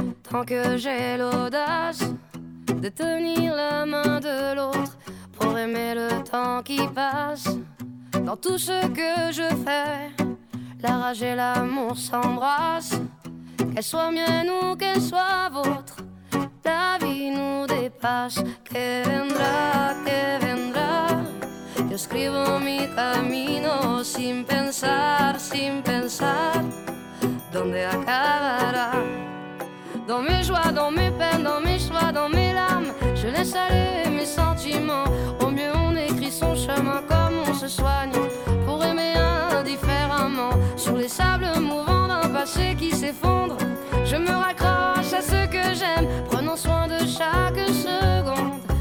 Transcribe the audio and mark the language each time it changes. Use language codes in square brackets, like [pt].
[fr] Tant que j'ai l'audace de tenir la main de l'autre pour aimer le temps qui passe, dans tout ce que je fais, la rage et l'amour s'embrassent, qu'elles soient miennes ou qu'elles soient vôtres, la vie nous dépasse. [es] Que vendrá, que vendrá, yo escribo mi camino sin pensar, sin pensar, dónde acabará. [fr] Dans mes joies, dans mes peines, dans mes choix, dans mes larmes, je laisse aller mes sentiments. Au mieux on écrit son chemin comme on se soigne, pour aimer indifféremment. Sur les sables mouvants d'un passé qui s'effondre, je me raccroche à ce que j'aime, prenant soin de chaque seconde.